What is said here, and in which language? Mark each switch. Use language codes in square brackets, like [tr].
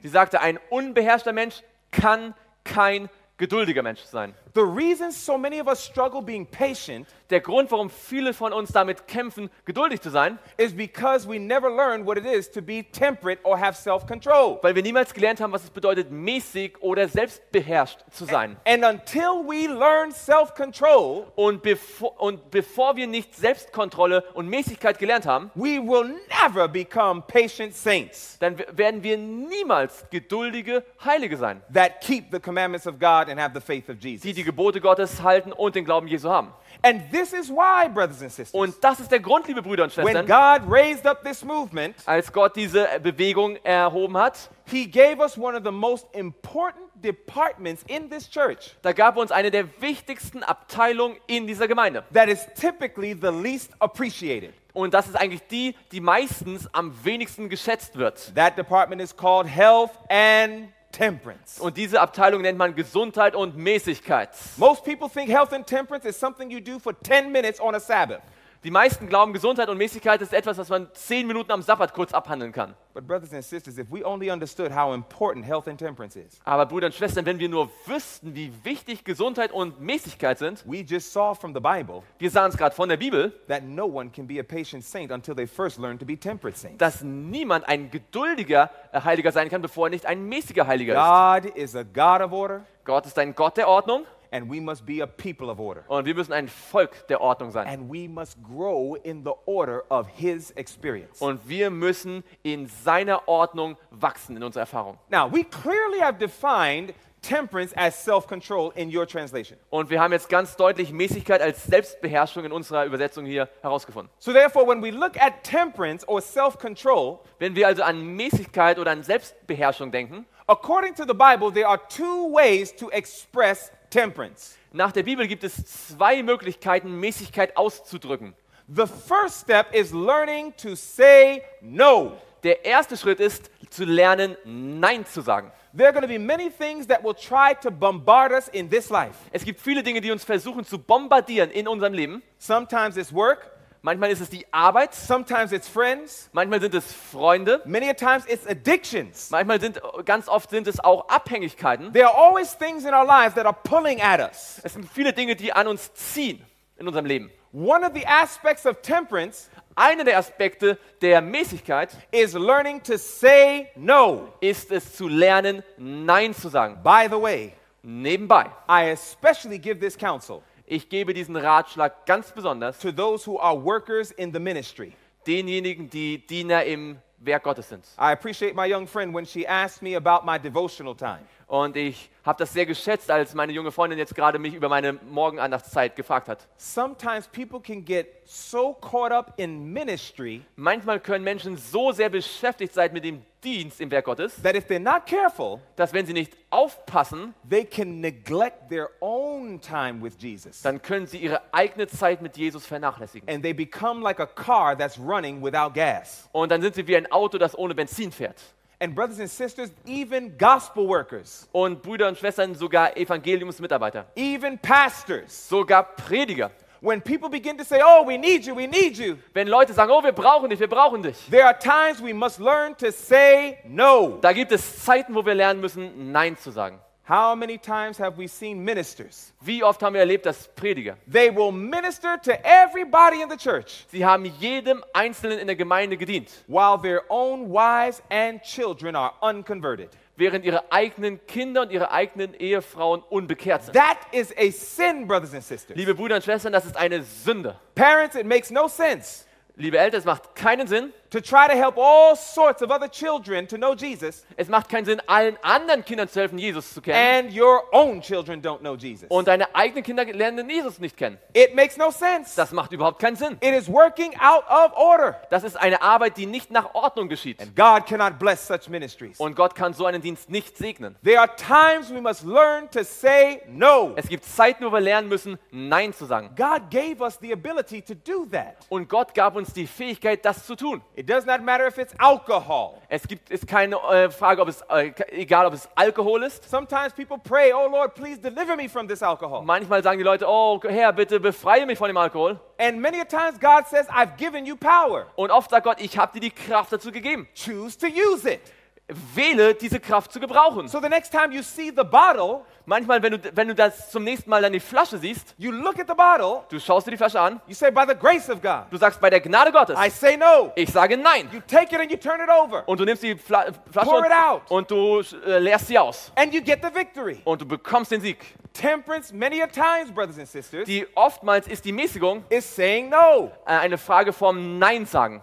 [de] Sie sagte, ein unbeherrschter Mensch kann kein geduldiger Mensch sein. [en] The reason so many of us struggle being patient, [de] der Grund, warum viele von uns damit kämpfen, geduldig zu sein, [en] is because we never learned what it is to be temperate or have self-control. [de] Weil wir niemals gelernt haben, was es bedeutet, mäßig oder selbstbeherrscht zu sein. [en] And until we learn self-control, [de] und bevor wir nicht Selbstkontrolle und Mäßigkeit gelernt haben, [en] we will never become patient saints. [de] Dann werden wir niemals geduldige Heilige sein. [en] That keep the commandments of God and have the faith of Jesus. [de] Die Gebote Gottes halten und den Glauben Jesu haben. [en] And this is why, brothers and sisters. [de] Und das ist der Grund, liebe Brüder und Schwestern. [en] When God raised up this movement, [de] als Gott diese Bewegung erhoben hat, [en] he gave us one of the most important departments in this church. [de] Da gab uns eine der wichtigsten Abteilungen in dieser Gemeinde. [en] That is typically the least appreciated. [de] Und das ist eigentlich die, die meistens am wenigsten geschätzt wird. [en] That department is called health and temperance. [de] Und diese Abteilung nennt man Gesundheit und Mäßigkeit. [en] Most people think health and temperance is something you do for 10 minutes on a Sabbath. [de] Die meisten glauben, Gesundheit und Mäßigkeit ist etwas, was man 10 Minuten am Sabbat kurz abhandeln kann. [en] But brothers and sisters, if we only understood how important health and temperance is. [de] Aber Brüder und Schwestern, wenn wir nur wüssten, wie wichtig Gesundheit und Mäßigkeit sind. [en] We just saw from the Bible. [de] Wir sahen es gerade von der Bibel, [en] that no one can be a patient saint until they first learn to be temperate saints. [de] Dass niemand ein geduldiger Heiliger sein kann, bevor er nicht ein mäßiger Heiliger ist. [en] God is a God of order. [de] Gott ist ein Gott der Ordnung. [en] And we must be a people of order. [de] Und wir müssen ein Volk der Ordnung sein. [en] And we must grow in the order of his experience. [de] Und wir müssen in seiner Ordnung wachsen in unserer Erfahrung. [en] Now, we clearly have defined temperance as self-control in your translation. [de] Und wir haben jetzt ganz deutlich Mäßigkeit als Selbstbeherrschung in unserer Übersetzung hier herausgefunden. [en] So therefore when we look at temperance or self-control, [de] wenn wir also an Mäßigkeit oder an Selbstbeherrschung denken, [en] according to the Bible there are two ways to express temperance. [de] Nach der Bibel gibt es zwei Möglichkeiten, Mäßigkeit auszudrücken. [en] The first step is learning to say no. [de] Der erste Schritt ist zu lernen, Nein zu sagen. [en] There are going to be many things that will try to bombard us in this life. [de] Es gibt viele Dinge, die uns versuchen zu bombardieren in unserem Leben. [en] Sometimes it's work. [de] Manchmal ist es die Arbeit. [en] Sometimes it's friends. [de] Manchmal sind es Freunde. [en] Many times it's addictions. [de] Manchmal sind ganz oft sind es auch Abhängigkeiten. [en] There are always things in our lives that are pulling at us. [de] Es sind viele Dinge, die an uns ziehen in unserem Leben. [en] One of the aspects of temperance. [de] Einer der Aspekte der Mäßigkeit [en] is learning to say no. [de] Ist es zu lernen, Nein zu sagen. [en] By the way, [de] nebenbei, [en] I especially give this counsel. [de] Ich gebe diesen Ratschlag ganz besonders [en] to those who are workers in the ministry. [de] Denjenigen, die Diener im Werk Gottes sind. [en] I appreciate my young friend when she asked me about my devotional time. [de] Und ich habe das sehr geschätzt, als meine junge Freundin jetzt gerade mich über meine Morgenandachtszeit gefragt hat. [en] Sometimes people can get so caught up in ministry. [de] Manchmal können Menschen so sehr beschäftigt sein mit dem Dienst im Werk Gottes, [en] that if they're not careful, [de] dass wenn sie nicht aufpassen, [en] they can neglect their own time with Jesus. [de] Dann können sie ihre eigene Zeit mit Jesus vernachlässigen. [en] And they become like a car that's running without gas. [de] Und dann sind sie wie ein Auto, das ohne Benzin fährt. [en] And brothers and sisters, even gospel workers. [de] Und Brüder und Schwestern, sogar Evangeliumsmitarbeiter. [en] Even pastors. [de] Sogar Prediger. [en] When people begin to say, "Oh, we need you, we need you." [de] Wenn Leute sagen, "Oh, wir brauchen dich, wir brauchen dich." [en] There are times we must learn to say no. [de] Da gibt es Zeiten, wo wir lernen müssen, Nein zu sagen. [en] How many times have we seen ministers? [de] Wie oft haben wir erlebt, dass Prediger? [en] They will minister to everybody in the church. [de] Sie haben jedem Einzelnen in der Gemeinde gedient. [en] While their own wives and children are unconverted. [de] Während ihre eigenen Kinder und ihre eigenen Ehefrauen unbekehrt sind. [en] That is a sin, brothers and sisters. [de] Liebe Brüder und Schwestern, das ist eine Sünde. [en] Parents, it makes no sense. [de] Liebe Eltern, es macht keinen Sinn. [en] To try to help all sorts of other children to know Jesus. [de] Es macht keinen Sinn, allen anderen Kindern zu helfen, Jesus zu kennen. [en] And your own children don't know Jesus. [de] Und deine eigenen Kinder lernen Jesus nicht kennen. [en] It makes no sense. [de] Das macht überhaupt keinen Sinn. [en] It is working out of order. [de] Das ist eine Arbeit, die nicht nach Ordnung geschieht. [en] And God cannot bless such ministries. [de] Und Gott kann so einen Dienst nicht segnen. [en] There are times we must learn to say no. [de] Es gibt Zeiten, wo wir lernen müssen, Nein zu sagen. [en] God gave us the ability to do that. [de] Und Gott gab uns die Fähigkeit, das zu tun. [en] It does not matter if it's alcohol. [de] Es gibt ist keine Frage, ob es egal, ob es Alkohol ist. [en] Sometimes people pray, "Oh Lord, please deliver me from this alcohol." [de] Manchmal sagen die Leute, "Oh Herr, bitte befreie mich von dem Alkohol." [en] And many a times God says, "I've given you power." [de] Und oft sagt Gott, ich habe dir die Kraft dazu gegeben. [en] Choose to use it. [de] Wähle diese Kraft zu gebrauchen. [en] So the next time you see the bottle, [de] manchmal wenn du das zum nächsten Mal dann die Flasche siehst, [en] you look at the bottle, [de] du schaust dir die Flasche an, [en] you say by the grace of God, [de] du sagst bei der Gnade Gottes, [en] I say no, [de] ich sage nein, [en] you take it and you turn it over, [de] und du nimmst die Flasche [en] pour it out, [de] und du leerst sie aus, [en] and you get the victory, [de] und du bekommst den Sieg. [en] Temperance many a times, brothers and sisters, [de] die oftmals ist die Mäßigung, [en] is saying no, [de] eine Frage vom Nein sagen.